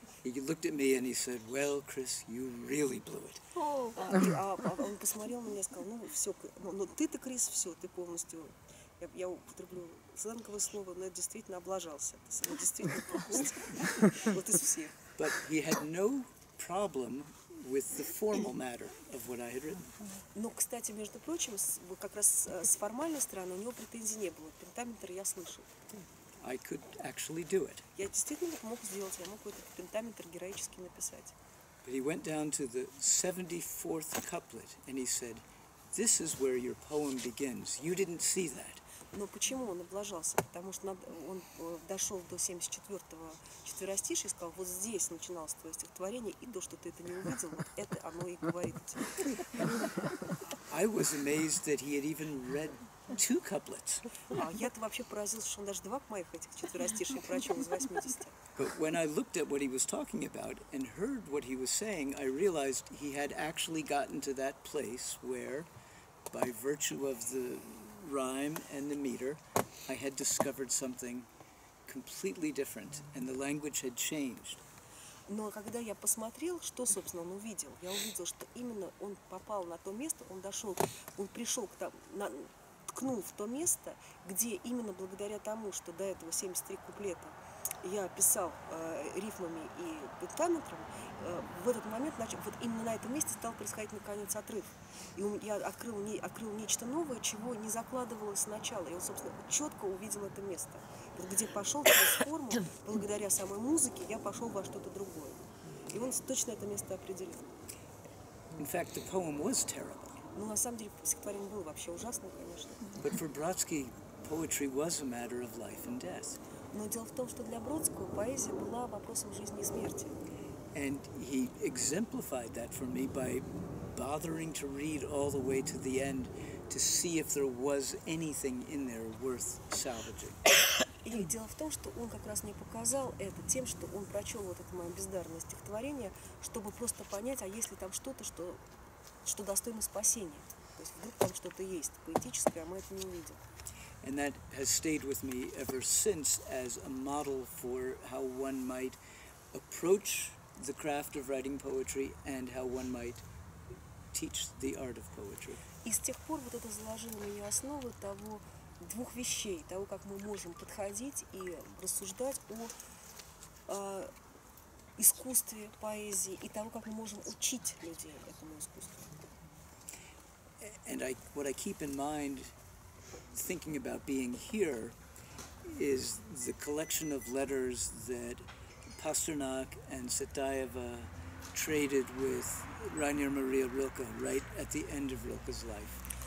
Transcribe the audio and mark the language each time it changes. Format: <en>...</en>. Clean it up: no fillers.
<en>He looked at me and he said, "Well, Chris, you really blew it."</en> <ru>Он посмотрел на меня и сказал: "Ну все, но ты-то, Крис, все, ты полностью, я употреблю сленговое слово, но это действительно облажался, это действительно полностью, вот из всех."</ru> <en>But he had no problem with the formal matter of what I had written.</en> <ru>Но, кстати, между прочим, как раз с формальной стороны у него претензий не было. Пентаметр я слышал.</ru> <en>I could actually do it.</en> <ru>Я действительно мог сделать, я мог этот пентаметр героически написать.</ru> <en>But he went down to the 74th couplet and he said, "This is where your poem begins. You didn't see that."</en> <ru>Но почему он облажался? Потому что он дошел до 74-го четверостишия и сказал: "Вот здесь начиналось твое стихотворение, и то, что ты это не увидел, вот это оно и говорит тебе."</ru> <en>I was amazed that he had even read two couplets.</en> <ru>Я-то вообще поразился, что он даже два моих этих четверостишия прочел из 80.</ru> <en>But when I looked at what he was talking about and heard what he was saying, I realized he had actually gotten to that place where, by virtue of the rhyme and the meter, I had discovered something completely different, and the language had changed.</en> <ru>Но когда я посмотрел, что, собственно, он увидел, я увидел, что именно он попал на то место, он пришел к тому, ткнул в то место, где именно благодаря тому, что до этого 73 куплета я писал рифмами и пентаметром, в этот момент, вот именно на этом месте стал происходить наконец отрыв. И я открыл нечто новое, чего не закладывалось сначала. И он, собственно, четко увидел это место. Вот где пошел через форму, благодаря самой музыке, я пошел во что-то другое. И он точно это место определил.</ru> <en>In fact, the poem was terrible.</en> <ru>Ну, на самом деле, стихотворение было вообще ужасным, конечно.</ru> <en>But for Brodsky, poetry was a matter of life and death.</en> <ru>Но дело в том, что для Бродского поэзия была вопросом жизни и смерти.</ru> <en>And he exemplified that for me by bothering to read all the way to the end to see if there was anything in there worth salvaging.</en> <ru>И дело в том, что он как раз мне показал это тем, что он прочел вот это мое бездарное стихотворение, чтобы просто понять, а есть ли там что-то, что достойно спасения. То есть вдруг там что-то есть поэтическое, а мы это не увидим.</ru> <en>And that has stayed with me ever since as a model for how one might approach the craft of writing poetry and how one might teach the art of poetry.</en> <ru>И с тех пор вот это заложило мне основу того, двух вещей, того, как мы можем подходить и рассуждать о искусстве, поэзии, и того, как мы можем учить людей этому искусству.</ru> <en>And I, what I keep in mind, thinking about being here, is the collection of letters that Pasternak and Satayeva traded with Rainer Maria Rilke right at the end of Rilke's life.</en>